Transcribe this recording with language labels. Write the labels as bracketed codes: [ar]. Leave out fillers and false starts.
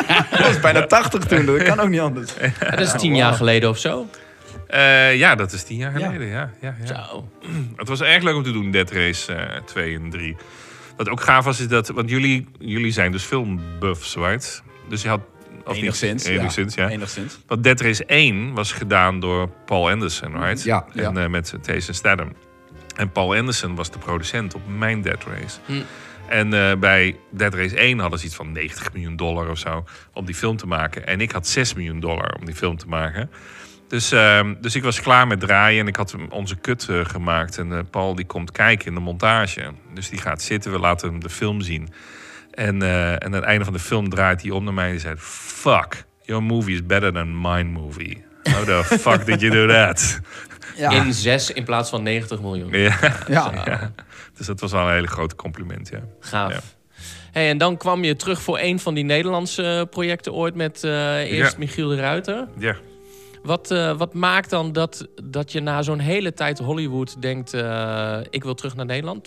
[nl] Dat was bijna 80 toen. Dat kan ook niet anders. Ja, dat is 10 jaar geleden of zo. Ja, dat is 10 jaar geleden. Ja. Het was erg leuk om te doen, Dead Race 2 en 3. Wat ook gaaf was, is dat... Want jullie zijn dus filmbuffs, right? Dus je had... Of enigszins. Niet, enigszins, ja. Enigszins. Want Dead Race 1 was gedaan door Paul Anderson, right? Ja. En met Jason Statham. En Paul Anderson was de producent op mijn Dead Race. Hm. En bij Dead Race 1 hadden ze iets van $90 miljoen of zo om die film te maken. En ik had $6 miljoen om die film te maken. Dus ik was klaar met draaien en ik had onze cut gemaakt. En Paul die komt kijken in de montage. Dus die gaat zitten, we laten hem de film zien. En aan het einde van de film draait hij om naar mij en zei... [en] Fuck, your movie is better than mine movie. How the fuck did you do that? [nl] Ja. In 6 in plaats van 90 miljoen. Ja. Dus dat was wel een hele grote compliment, ja. Gaaf. Ja. Hey, en dan kwam je terug voor een van die Nederlandse projecten ooit... met eerst Michiel de Ruiter. Ja. Wat maakt dan dat je na zo'n hele tijd Hollywood denkt... ik wil terug naar Nederland?